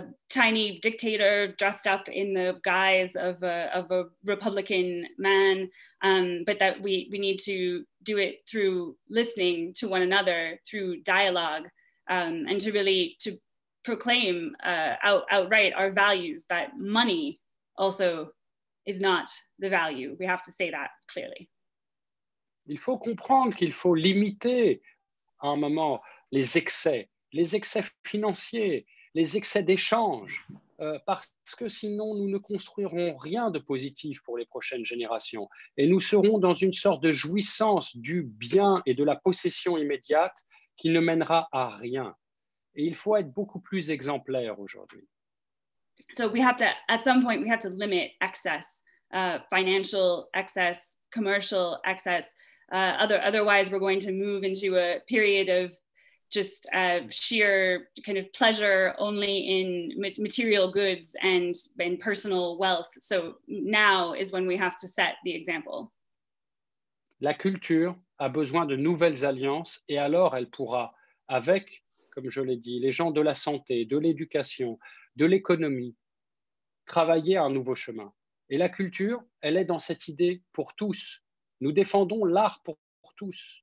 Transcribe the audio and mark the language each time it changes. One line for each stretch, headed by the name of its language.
English: tiny dictator dressed up in the guise of a Republican man, but that we need to do it through listening to one another, through dialogue, and to really to proclaim outright our values, that money also is not the value. We have to say that clearly.
French: Il faut comprendre qu'il faut limiter à un moment les excès financiers, les excès d'échange, parce que sinon nous ne construirons rien de positif pour les prochaines générations et nous serons dans une sorte de jouissance du bien et de la possession immédiate qui ne mènera à rien. Et il faut être beaucoup plus exemplaire aujourd'hui.
English: So we have to, at some point, we have to limit excess, financial excess, commercial excess. Otherwise, we're going to move into a period of just sheer kind of pleasure only in material goods and personal wealth. So now is when we have to set the example.
French: La culture a besoin de nouvelles alliances et alors elle pourra, avec, comme je l'ai dit, les gens de la santé, de l'éducation, de l'économie, travailler un nouveau chemin. Et la culture, elle est dans cette idée pour tous. Nous défendons l'art pour tous.